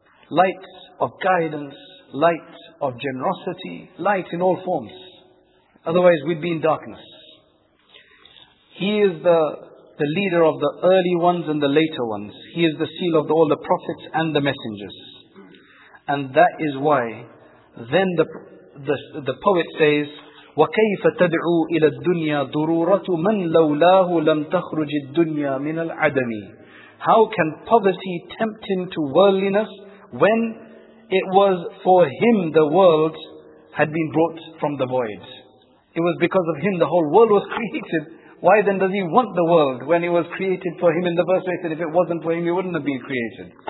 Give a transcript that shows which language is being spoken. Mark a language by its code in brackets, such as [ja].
[en] Light of guidance, light of generosity, light in all forms. Otherwise we'd be in darkness. He is the leader of the early ones and the later ones. He is the seal of all the prophets and the messengers. And that is why then the poet says, [ar] وَكَيْفَ تَدْعُوا إِلَى الدُّنْيَا ضُرُورَةُ مَنْ لَوْلَاهُ لَمْ تَخْرُجِ الدُّنْيَا مِنَ الْعَدَمِ. [en] How can poverty tempt him to worldliness when it was for him the world had been brought from the void? It was because of him the whole world was created. Why then does he want the world when it was created for him in the first place? And if it wasn't for him, he wouldn't have been created.